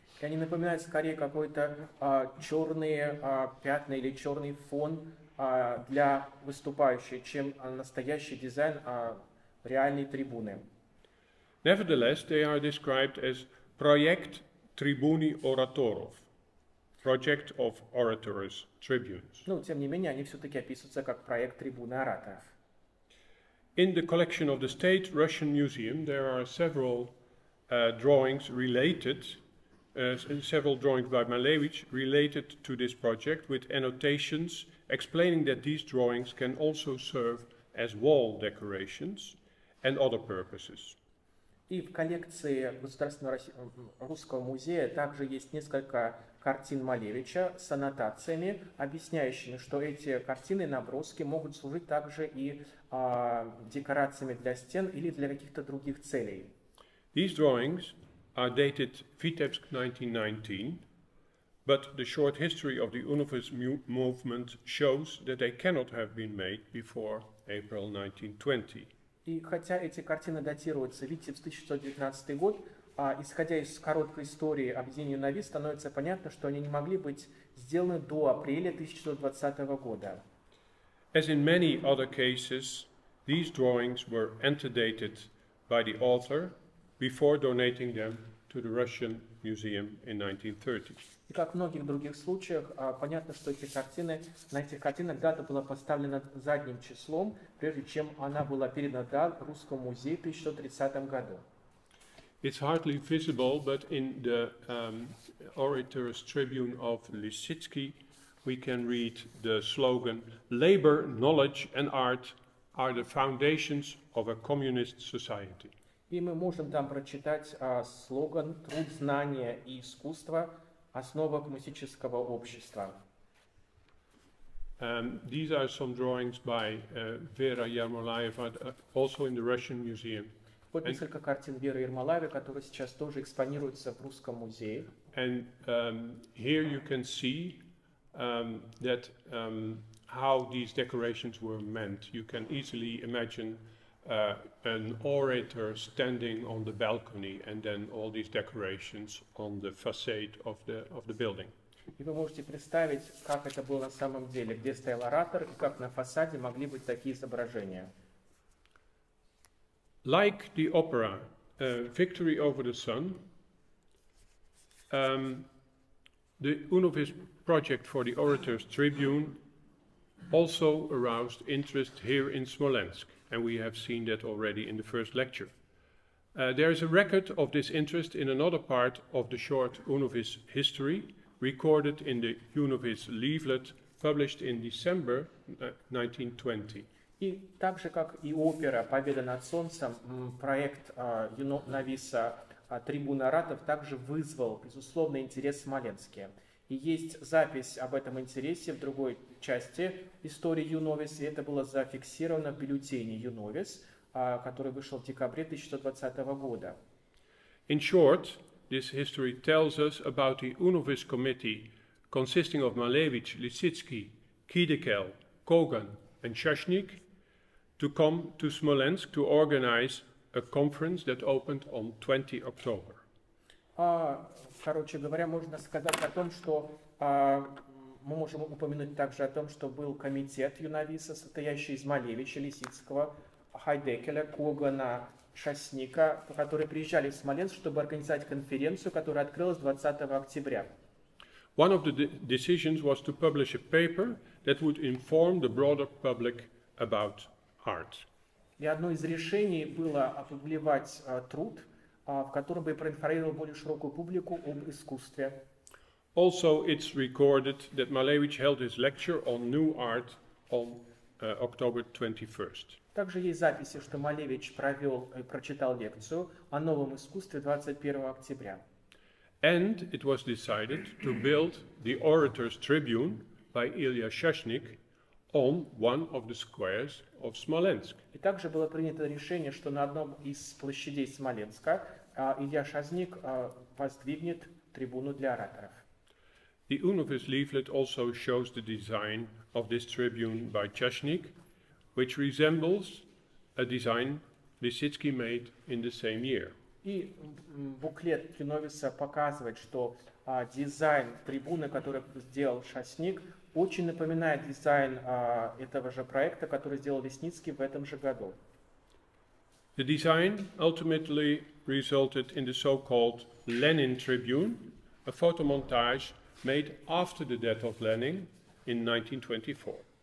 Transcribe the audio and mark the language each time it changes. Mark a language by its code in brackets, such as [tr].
[ru] И они напоминают скорее какой-то черные пятна или черный фон для выступающей, чем настоящий дизайн реальной трибуны. [en] Nevertheless, they are described as project [ru] tribuni oratorov, [en] project of orators, tribunes. [ru] Но, тем не менее, они все-таки описываются как проект трибуны ораторов. [en] In the collection of the State Russian Museum, there are several drawings related several drawings by Malevich related to this project with annotations explaining that these drawings can also serve as wall decorations and other purposes. [ru] И в коллекции Государственного русского музея также есть несколько картин Малевича с аннотациями, объясняющими, что эти картины, наброски могут служить также и декорациями для стен или для каких-то других целей. [en] These drawings are dated Vitebsk 1919, but the short history of the UNOVIS movement shows that they cannot have been made before April 1920. [ru] И хотя эти картины датируются Витебск 1919 год, исходя из короткой истории объединения UNOVIS, становится понятно, что они не могли быть сделаны до апреля 1920 года. [en] As in many other cases, these drawings were antedated by the author before donating them to the Russian Museum in 1930. [ru] И как в многих других случаях, понятно, что эти картины, на этих картинах дата была поставлена задним числом, прежде чем она была передана Русскому музею в 1930 году. [en] It's hardly visible, but in the orator's tribune of Lisicki, we can read the slogan «Labor, knowledge and art are the foundations of a communist society». [ru] И мы можем там прочитать слоган «Труд, знание и искусство – основа коммунистического общества». [en] These are some drawings by Vera Ermolaeva, also in the Russian Museum. [ru] Вот несколько картин Веры Ермолаевой, которые сейчас тоже экспонируются в Русском музее. [en] And here you can see that how these decorations were meant. You can easily imagine an orator standing on the balcony and then all these decorations on the facade of the building. [ru] И вы можете представить, как это было на самом деле, где стоял оратор и как на фасаде могли быть такие изображения. [en] Like the opera Victory Over the Sun, the UNOVIS project for the Orators Tribune also aroused interest here in Smolensk, and we have seen that already in the first lecture. There is a record of this interest in another part of the short UNOVIS history, recorded in the UNOVIS leaflet published in December 1920. [ru] И так же, как и опера «Победа над солнцем», проект «Юновиса трибуна ратов» также вызвал, безусловно, интерес в Смоленске. И есть запись об этом интересе в другой части истории «Юновис», и это было зафиксировано в бюллетене «Юновис», который вышел в декабре 1920 года. [en] In short, this history tells us about the UNOVIS committee consisting of Malevich, Lisicki, Kidekel, Kogan and Shashnik, to come to Smolensk to organize a conference that opened on 20 October. [ru] Короче говоря, можно сказать о том, что мы можем упомянуть также о том, что был комитет Юнависа, состоящий из Малевича, Лисицкого, Хайдекеля, Когана, Шасника, которые приезжали в Смоленск, чтобы организовать конференцию, которая открылась 20 октября. [en] One of the decisions was to publish a paper that would inform the broader public about art. [ru] И одно из решений было опубликовать труд, в котором бы проинформировал более широкую публику об искусстве. [en] Also, it's recorded that Малевич held his lecture on new art on October 21st. [ru] Также есть записи, что Малевич провел и прочитал лекцию о новом искусстве 21 октября. [en] And it was decided to build the Orators Tribune by Ilya Shashnik on one of the squares of Smolensk. [ru] И также было принято решение, что на одном из площадей Смоленска Илья Шазник воздвигнет трибуну для ораторов. [en] The UNOVIS leaflet also shows the design of this tribune by Shashnik, which resembles a design Lisicki made in the same year. [ru] И буклет UNOVISа показывает, что дизайн трибуны, который сделал Шасник, очень напоминает дизайн этого же проекта, который сделал Лисицкий в этом же году. [en] The design ultimately resulted in the so-called Lenin Tribune, a photomontage made after the death of Lenin in 1924.